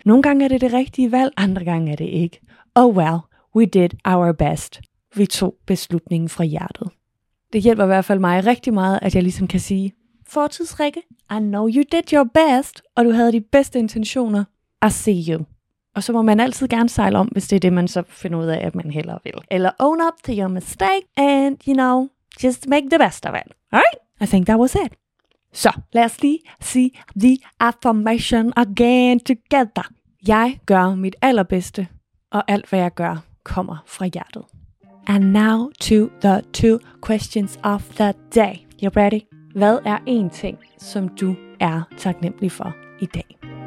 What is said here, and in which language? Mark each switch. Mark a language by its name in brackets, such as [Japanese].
[Danish] Nogle gange er det det rigtige valg, andre gange er det ikke. [English] Oh well, we did our best. [Danish] Vi tog beslutningen fra hjertet. Det hjælper i hvert fald mig rikke meget, at jeg ligesom kan sige, fortidsrikke, [English] I know you did your best, [Danish] og du havde de bedste intentioner. [English] I see you. [Danish] Og så må man altid gerne sejle om, hvis det er det, man så finder ud af, at man hellere vil. [English] Eller own up to your mistake, and you know, just make the best of it. Alright, I think that was it. [Danish] Så, lad os lige sige [English] the affirmation again together. [Danish] Jeg gør mit allerbedste, og alt hvad jeg gør, kommer fra hjertet. [English] And now to the two questions of the day. You ready? [Danish] Hvad er en ting, som du er taknemmelig for i dag?